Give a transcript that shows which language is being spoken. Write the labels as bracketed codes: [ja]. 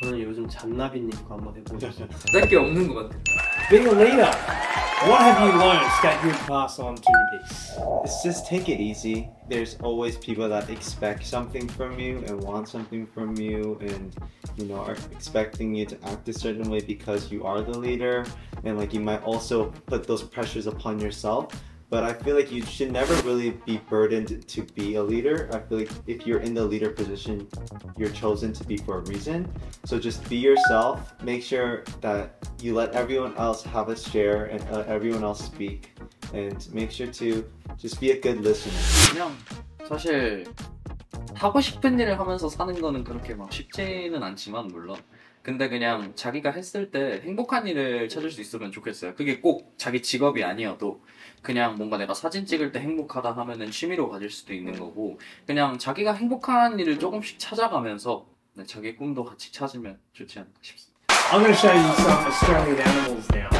[ko] 저는 요즘 잡나비님과 한번 해보겠습니다. 딱히 없는 것 같아요. [en] Being a leader, what have you learned that you pass on to this? It's just take it easy. There's always people that expect something from you and want something from you and, you know, are expecting you to act a certain way because you are the leader. And like, you might also put those pressures upon yourself. But I feel like you should never really be burdened to be a leader. I feel like if you're in the leader position, you're chosen to be for a reason. So just be yourself. Make sure that you let everyone else have a share and let everyone else speak. And make sure to just be a good listener. [ko] 그냥 사실 하고 싶은 일을 하면서 사는 거는 그렇게 막 쉽지는 않지만 물론. 근데 그냥 자기가 했을 때 행복한 일을 찾을 수 있으면 좋겠어요. 그게 꼭 자기 직업이 아니어도 그냥 뭔가 내가 사진 찍을 때 행복하다 하면은 취미로 가질 수도 있는 거고 그냥 자기가 행복한 일을 조금씩 찾아가면서 네, 자기 꿈도 같이 찾으면 좋지 않을까 싶습니다. [en] I'm gonna show you some Australian animals now.